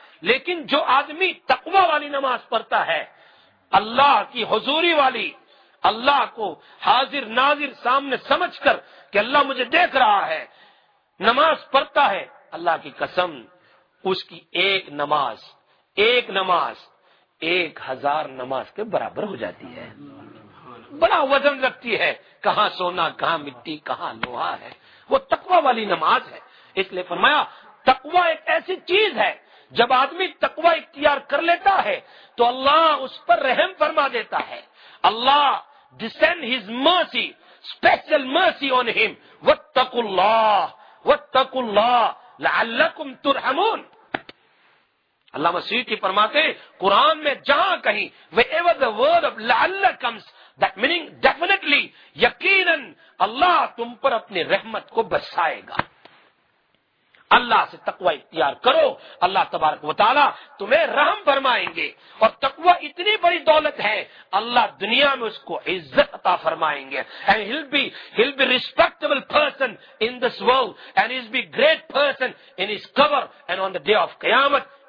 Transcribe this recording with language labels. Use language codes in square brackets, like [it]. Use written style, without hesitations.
[ur] لیکن جو آدمی تقوی والی نماز پڑھتا ہے اللہ کی حضوری والی اللہ کو حاضر ناظر سامنے سمجھ کر کہ اللہ مجھے دیکھ رہا ہے نماز پڑھتا ہے اللہ کی قسم اس کی ایک نماز ایک نماز ایک ہزار نماز کے برابر ہو جاتی ہے. بڑا وزن رکھتی ہے کہاں سونا کہاں مٹی کہاں لوہا ہے. وہ تقوی والی نماز ہے. اس لیے فرمایا تقوی ایک ایسی چیز ہے جب آدمی تقوی اختیار کر لیتا ہے تو اللہ اس پر رحم فرما دیتا ہے. [en] Allah descend his mercy special mercy on him. [ar] واتقوا اللہ واتقوا اللہ لعلکم ترحمون. [ur] اللہ مسیح کی فرماتے قرآن میں جہاں کہیں [en] wherever the word of لعل comes that meaning definitely [ur] یقیناً اللہ تم پر اپنی رحمت کو برسائے گا. اللہ سے تقوی اختیار کرو اللہ تبارک و تعالی تمہیں رحم فرمائیں گے. اور تقوی اتنی بڑی دولت ہے اللہ دنیا میں اس کو عزت عطا فرمائیں گے. [en] And he'll be respectable person in this world and he'll be great person in his cover and on the day of قیامت.